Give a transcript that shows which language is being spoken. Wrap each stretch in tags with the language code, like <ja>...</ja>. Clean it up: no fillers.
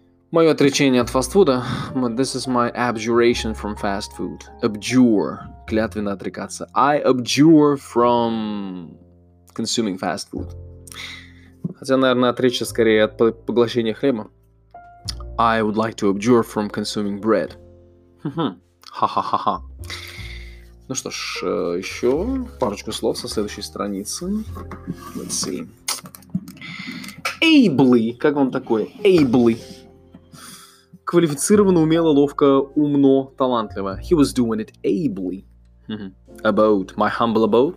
<ru>Мое отречение от фастфуда.</ru> <en>This is my abjuration from fast food. Abjure.</en> <ru>Клятвенно отрекаться.</ru> <en>I abjure from consuming fast food.</en> <ru>Хотя, наверное, отречься скорее от поглощения хлеба.</ru> <en>I would like to abjure from consuming bread. Ха-ха-ха-ха.</en> <ru>Ну что ж, еще парочку слов со следующей страницы.</ru> <en>Let's see. Ably.</en> <ru>Как вам такое?</ru> <en>Ably.</en> <ru>Квалифицированно, умело, ловко, умно, талантливо.</ru> <en>He was doing it ably. About. My humble abode.</en>